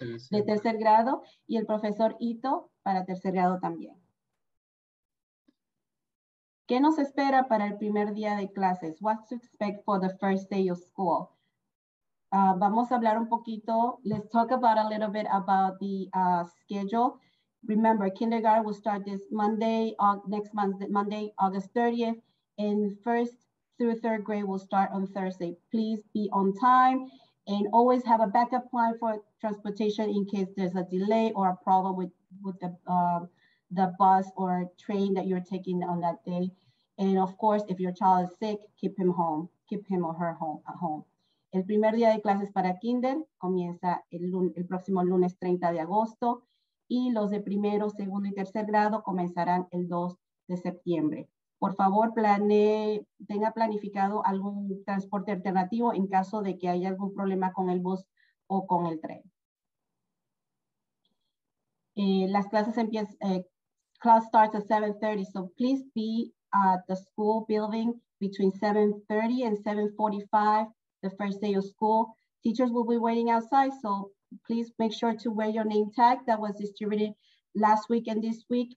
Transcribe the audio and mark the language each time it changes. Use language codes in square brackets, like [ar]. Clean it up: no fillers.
[es] De tercer grado, y el profesor Ito para tercer grado también. ¿Qué nos espera para el primer día de clases? [en] What to expect for the first day of school? [es] Vamos a hablar un poquito. [en] Let's talk about a little bit about the schedule. Remember, kindergarten will start this Monday, next Monday, August 30th, and first through third grade will start on Thursday. Please be on time and always have a backup plan for transportation in case there's a delay or a problem with the bus or train that you're taking on that day. And of course, if your child is sick, keep him or her home. [es] El primer día de clases para kinder comienza el próximo lunes 30 de agosto, y los de primero, segundo y tercer grado comenzarán el 2 de septiembre. Por favor, tenga planificado algún transporte alternativo en caso de que haya algún problema con el bus o con el tren. Las clases empiezan, [en] class starts at 7:30, so please be at the school building between 7:30 and 7:45 the first day of school. Teachers will be waiting outside, so please make sure to wear your name tag that was distributed last week and this week.